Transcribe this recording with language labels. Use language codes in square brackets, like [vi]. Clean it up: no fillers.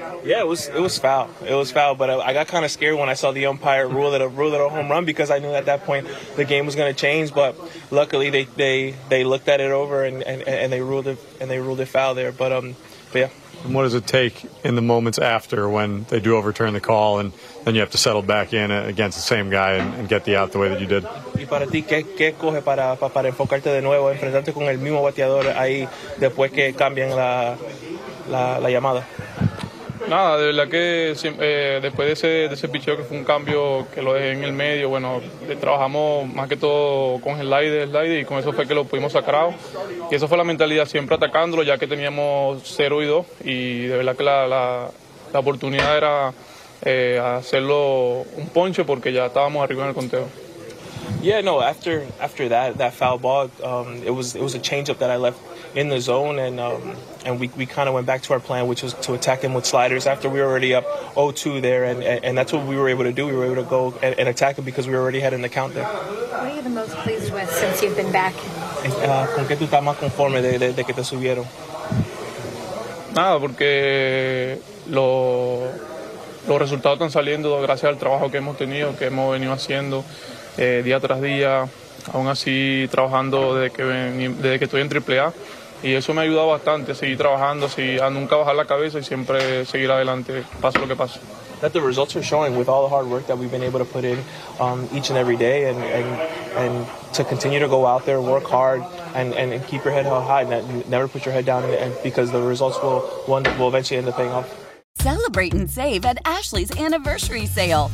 [en] Yeah, it was foul, but I got kind of scared when I saw the umpire rule it a home run because I knew at that point the game was going to change, but luckily they looked at it over and they ruled it foul there, but yeah. And what does it take in the moments after when they do overturn the call and then you have to settle back in against the same guy and get the out the way that you did? [es] ¿Y para ti qué coge para enfocarte de nuevo, enfrentarte con el mismo bateador ahí después que cambien la llamada? Nada, de verdad que después de ese picheo que fue un cambio que lo dejé en el medio, bueno, trabajamos más que todo con el slider y con eso fue que lo pudimos sacar out. Y eso fue la mentalidad, siempre atacándolo, ya que teníamos 0 y 2 y de verdad que la oportunidad era hacerlo un ponche porque ya estábamos arriba en el conteo. [en] Yeah, no, after that foul ball, it was a changeup that I left in the zone, and we kind of went back to our plan, which was to attack him with sliders after we were already up 0-2 there, and that's what we were able to do. We were able to go and attack him because we were already heading the count there. What are you the most pleased with since you've been back? [es] ¿Con qué tú estás más conforme de que te subieron? Nada, porque los resultados están saliendo gracias al trabajo que hemos tenido, que hemos venido haciendo. Día tras día, aún así trabajando desde que estoy en AAA, y eso me ha ayudado bastante, seguir trabajando, a nunca bajar la cabeza y siempre seguir adelante, pase lo que pase. [en] That the results are showing with all the hard work that we've been able to put in each and every day, and to continue to go out there, work hard, and keep your head held high, and never put your head down, and because the results will eventually end up paying off. Celebrate and save at Ashley's Anniversary Sale.